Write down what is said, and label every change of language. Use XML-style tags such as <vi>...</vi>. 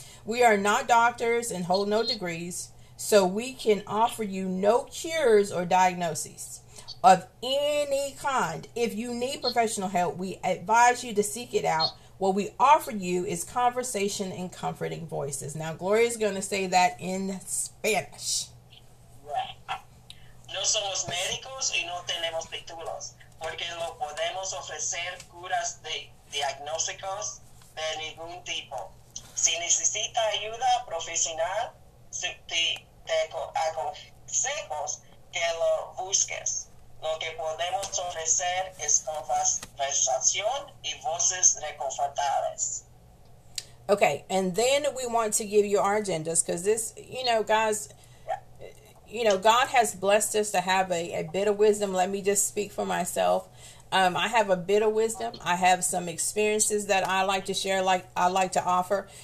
<en>We are not doctors and hold no degrees, so we can offer you no cures or diagnoses of any kind. If you need professional help, we advise you to seek it out. What we offer you is conversation and comforting voices. Now, Gloria is going to say that in Spanish.</en> <es>No somos médicos y no tenemos títulos, porque no podemos ofrecer curas de diagnósticos de ningún tipo. Si necesita ayuda profesional, te aconsejo que lo busques. Lo que podemos ofrecer es conversación y voces reconfortables.</es> <en>Okay, and then we want to give you our agendas, because this, you know, guys, you know, God has blessed us to have a bit of wisdom. Let me just speak for myself. I have a bit of wisdom. I have some experiences that I like to share, like I like to offer.</en>